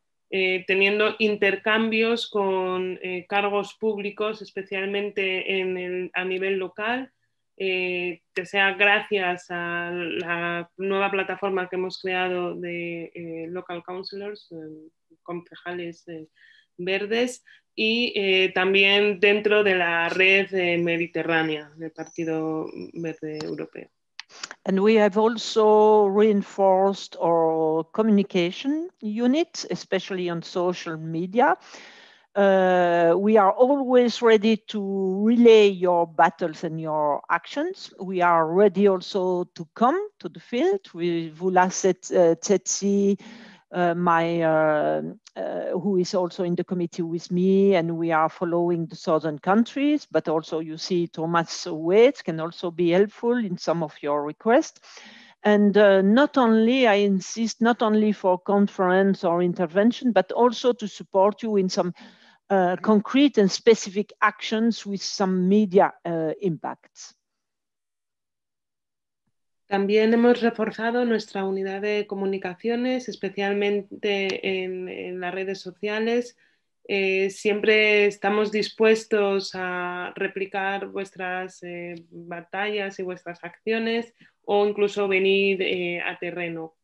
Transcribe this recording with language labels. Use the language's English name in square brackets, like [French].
[Spanish] teniendo intercambios con cargos públicos, especialmente a nivel local, que sea gracias a la nueva plataforma que hemos creado de [English] local councillors, [Spanish] concejales verdes, y también dentro de la red mediterránea del Partido Verde Europeo. [English] And we have also reinforced our communication unit, especially on social media. We are always ready to relay your battles and your actions. We are ready also to come to the field. We Vula Tsetsi, who is also in the committee with me, and we are following the southern countries, but also you see Thomas Waits can also be helpful in some of your requests. And not only, I insist, not only for conference or intervention, but also to support you in some concrete and specific actions with some media impacts. [Spanish] También hemos reforzado nuestra unidad de comunicaciones, especialmente en las redes sociales. Siempre estamos dispuestos a replicar vuestras batallas y vuestras acciones o incluso venir a terreno.